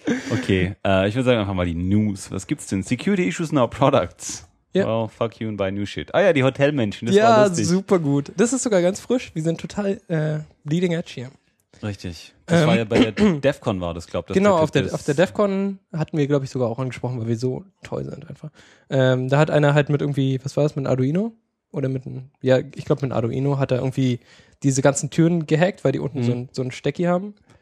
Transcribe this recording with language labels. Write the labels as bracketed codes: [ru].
[de] Okay, ich würde sagen, einfach mal die News. Was gibt's denn? [en] Security issues in our products. Yeah. Oh, fuck you and buy new shit. [de] Ah ja, die Hotelmenschen, das war lustig. Ja, super gut. Das ist sogar ganz frisch. Wir sind total leading edge hier. Richtig. Das war ja bei der DEFCON war das, glaube ich. Genau, auf der DEFCON hatten wir, glaube ich, sogar auch angesprochen, weil wir so toll sind einfach. Da hat einer halt mit irgendwie, was war das, mit einem Arduino? Oder mit einem Arduino hat er irgendwie diese ganzen Türen gehackt, weil die unten so ein Stecki haben.